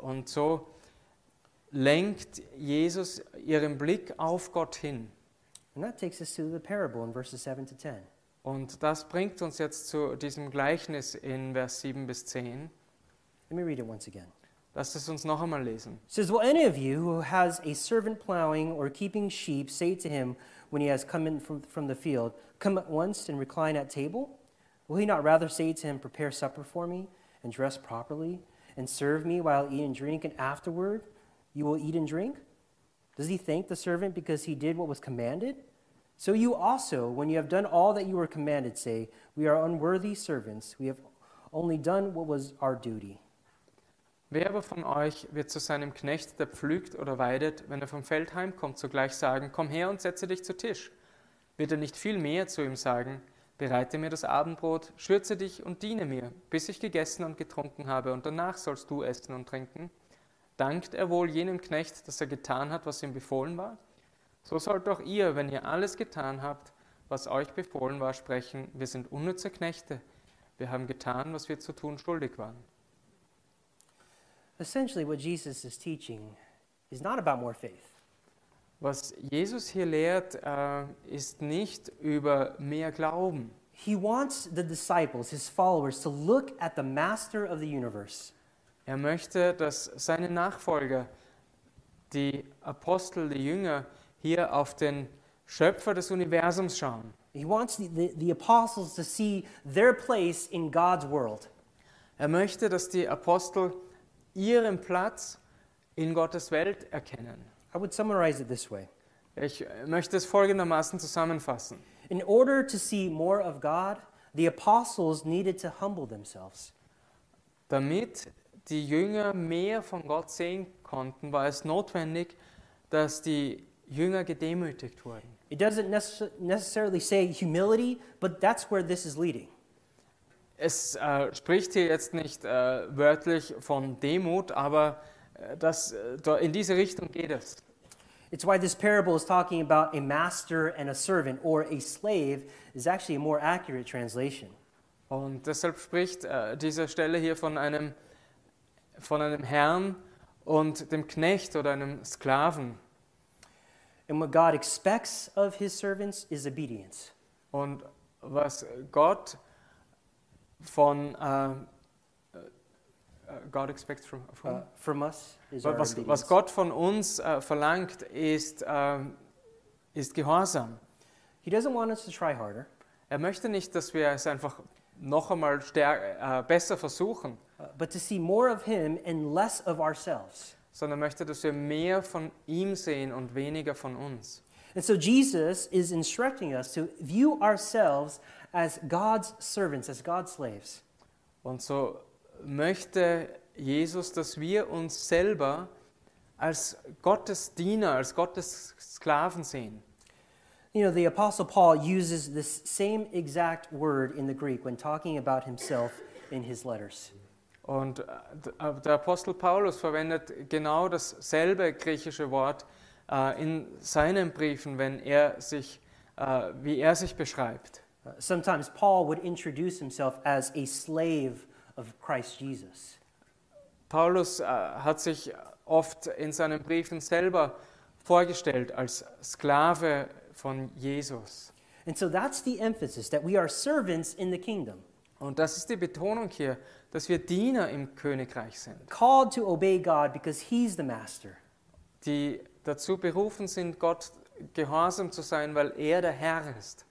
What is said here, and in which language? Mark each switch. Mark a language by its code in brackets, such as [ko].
[de] Und so lenkt Jesus ihren Blick auf Gott hin. [en] And that takes us to the parable in verses 7 to 10. [de] Und das bringt uns jetzt zu diesem Gleichnis in Vers 7 bis 10. [en] Let me read it once again. [de] Lass es uns noch einmal lesen. [en] It says, will any of you who has a servant plowing or keeping sheep say to him when he has come in from the field, come at once and recline at table? Will he not rather say to him, prepare supper for me and dress properly and serve me while I eat and drink, and afterward you will eat and drink? Does he thank the servant because he did what was commanded? So you also, when you have done all that you were commanded, say, we are unworthy servants. We have only done what was our duty. [de] Wer aber von euch wird zu seinem Knecht, der pflügt oder weidet, wenn er vom Feld heimkommt, sogleich sagen, komm her und setze dich zu Tisch? Wird er nicht viel mehr zu ihm sagen, bereite mir das Abendbrot, schürze dich und diene mir, bis ich gegessen und getrunken habe, und danach sollst du essen und trinken? Dankt er wohl jenem Knecht, dass er getan hat, was ihm befohlen war? So sollt auch ihr, wenn ihr alles getan habt, was euch befohlen war, sprechen, wir sind unnütze Knechte, wir haben getan, was wir zu tun schuldig waren. [en] Essentially, what Jesus is teaching is not about more faith. [de] Was Jesus hier lehrt, ist nicht über mehr Glauben. [en] He wants the disciples, his followers, to look at the master of the universe. [de] Er möchte, dass seine Nachfolger, die Apostel, die Jünger, hier auf den Schöpfer des Universums schauen. [en] He wants the apostles to see their place in God's world. [de] Er möchte, dass die Apostel ihren Platz in Gottes Welt erkennen. [en] I would summarize it this way. [de] Ich möchte es folgendermaßen zusammenfassen. [en] In order to see more of God, the apostles needed to humble themselves. [de] Damit die Jünger mehr von Gott sehen konnten, war es notwendig, dass die Jünger gedemütigt wurden. [en] It doesn't necessarily say humility, but that's where this is leading. [de] Es spricht hier jetzt nicht wörtlich von Demut, aber in diese Richtung geht es. [en] It's why this parable is talking about a master and a servant, or a slave, is actually a more accurate translation. [de] Und deshalb spricht diese Stelle hier von einem Herrn und dem Knecht oder einem Sklaven. [en] And what God expects of his servants is obedience. [de] Und was Gott von [en] God expects from us is [de] was Gott von uns verlangt ist Gehorsam. [en] He doesn't want us to try harder. [de] Er möchte nicht, dass wir es einfach noch einmal besser versuchen. [en] But to see more of him and less of ourselves. [de] Sondern möchte, dass wir mehr von ihm sehen und weniger von uns. [en] And so Jesus is instructing us to view ourselves as God's servants, as God's slaves. [de] Und so möchte Jesus, dass wir uns selber als Gottes Diener, als Gottes Sklaven sehen. [en] You know, the Apostle Paul uses this same exact word in the Greek when talking about himself in his letters. [de] Und der Apostel Paulus verwendet genau dasselbe griechische Wort in seinen Briefen, wenn er sich, wie er sich beschreibt. [en] Sometimes Paul would introduce himself as a slave of Christ Jesus. [de] Paulus hat sich oft in seinen Briefen selber vorgestellt als Sklave von Jesus. [en] And so that's the emphasis, that we are servants in the kingdom. [de] Und das ist die Betonung hier, dass wir Diener im Königreich sind. [en] Called to obey God because he's the master. [de] Die dazu berufen sind, Gott gehorsam zu sein, weil er der Herr ist.